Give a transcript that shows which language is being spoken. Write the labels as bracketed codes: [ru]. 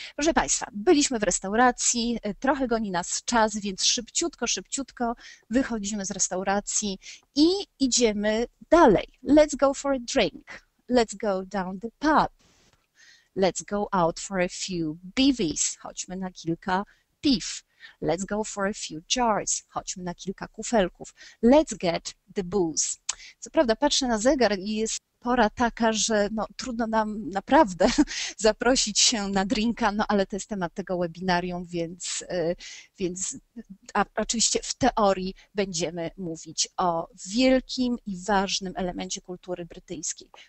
[pl] Proszę Państwa, byliśmy w restauracji, trochę goni nas czas, więc szybciutko, szybciutko wychodzimy z restauracji i idziemy dalej. [en] Let's go for a drink. Let's go down the pub. Let's go out for a few bevies. [pl] Chodźmy na kilka piw. [en] Let's go for a few jars. [pl] Chodźmy na kilka kufelków. [en] Let's get the booze. [pl] Co prawda patrzę na zegar i jest pora taka, że no, trudno nam naprawdę zaprosić się na drinka, no ale to jest temat tego webinarium, więc oczywiście w teorii będziemy mówić o wielkim i ważnym elemencie kultury brytyjskiej.